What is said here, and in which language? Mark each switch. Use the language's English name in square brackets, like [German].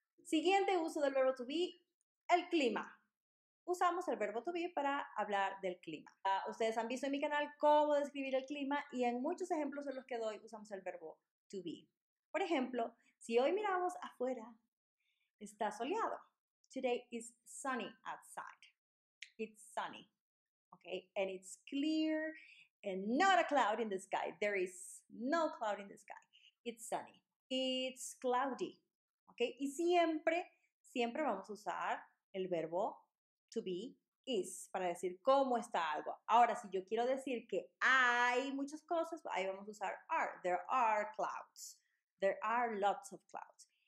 [Spanish] Siguiente uso del verbo to be, el clima. Usamos el verbo to be para hablar del clima. Ustedes han visto en mi canal cómo describir el clima y en muchos ejemplos en los que doy usamos el verbo to be. Por ejemplo, si hoy miramos afuera, está soleado. [English] Today is sunny outside. It's sunny. Okay, and it's clear and not a cloud in the sky. There is no cloud in the sky. It's sunny. It's cloudy. [Spanish] Okay, y siempre, siempre vamos a usar el verbo to be, is, para decir cómo está algo. Ahora, si yo quiero decir que hay muchas cosas, ahí vamos a usar are. [English] There are clouds. There are lots of clouds.